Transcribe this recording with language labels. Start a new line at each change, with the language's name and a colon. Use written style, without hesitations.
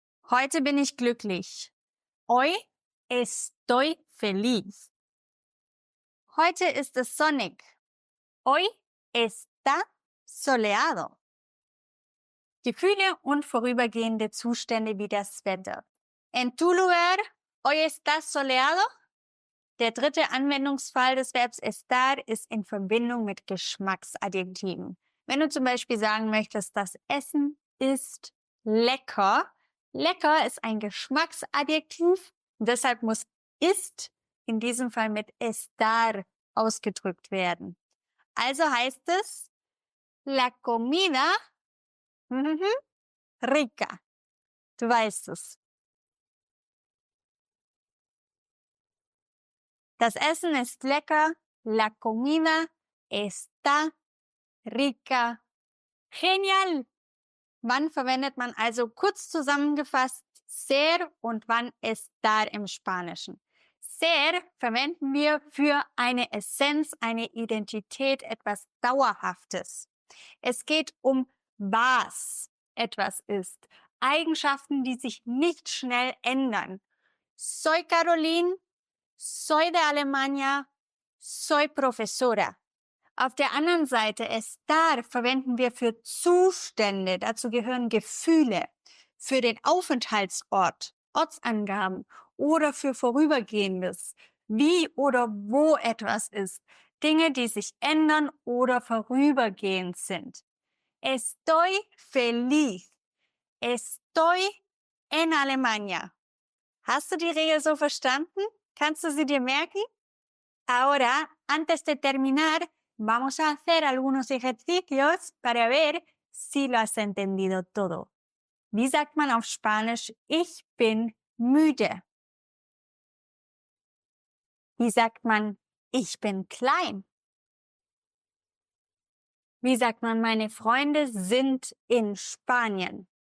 German: Heute bin ich glücklich.
Spanish: Hoy estoy feliz.
German: Heute ist es sonnig.
Spanish: Hoy está soleado.
German: Gefühle und vorübergehende Zustände wie das Wetter.
Spanish: En tu lugar, hoy está soleado.
German: Der dritte Anwendungsfall des Verbs estar ist in Verbindung mit Geschmacksadjektiven. Wenn du zum Beispiel sagen möchtest, das Essen ist lecker. Lecker ist ein Geschmacksadjektiv. Deshalb muss ist in diesem Fall mit estar ausgedrückt werden. Also heißt es,
Spanish: la comida rica.
German: Du weißt es. Das Essen ist lecker.
Spanish: La comida está rica.
German: Genial! Wann verwendet man also kurz zusammengefasst ser und wann estar im Spanischen? Ser verwenden wir für eine Essenz, eine Identität, etwas Dauerhaftes. Es geht um was etwas ist. Eigenschaften, die sich nicht schnell ändern.
Spanish: Soy Caroline, soy de Alemania, soy profesora.
German: Auf der anderen Seite, estar verwenden wir für Zustände, dazu gehören Gefühle, für den Aufenthaltsort, Ortsangaben oder für Vorübergehendes, wie oder wo etwas ist, Dinge, die sich ändern oder vorübergehend sind.
Spanish: Estoy feliz. Estoy en Alemania.
German: Hast du die Regel so verstanden? Kannst du sie dir merken?
Spanish: Ahora, antes de terminar, vamos a hacer algunos ejercicios para ver si lo has entendido todo.
German: Wie sagt man auf Spanisch, ich bin müde? Wie sagt man, ich bin klein? Wie sagt man, meine Freunde sind in Spanien?